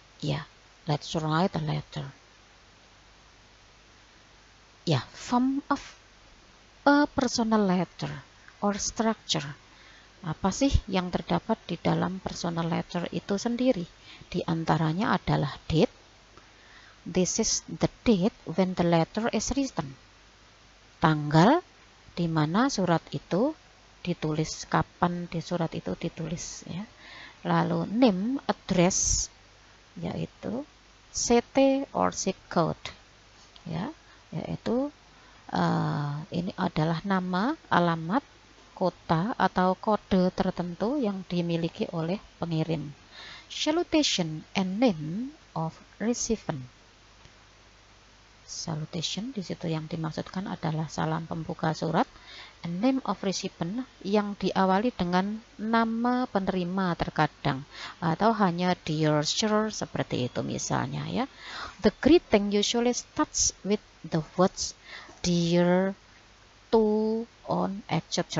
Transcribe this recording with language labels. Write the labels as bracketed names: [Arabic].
[English] Yeah, let's write a letter. Yeah, form of a personal letter or structure. [Indonesian] Apa sih yang terdapat di dalam personal letter itu sendiri? Di antaranya adalah date. [English] This is the date when the letter is written. [Indonesian] Tanggal di mana surat itu ditulis, kapan di surat itu ditulis, ya. Lalu name, address, yaitu CT or zip code, ya, yaitu ini adalah nama, alamat, kota atau kode tertentu yang dimiliki oleh pengirim. [English] Salutation and name of recipient. [Indonesian] Salutation di situ yang dimaksudkan adalah salam pembuka surat, [English] and name of recipient [Indonesian] yang diawali dengan nama penerima terkadang, atau hanya dear sir seperti itu misalnya, ya. [English] The greeting usually starts with the words dear, to, on, etc.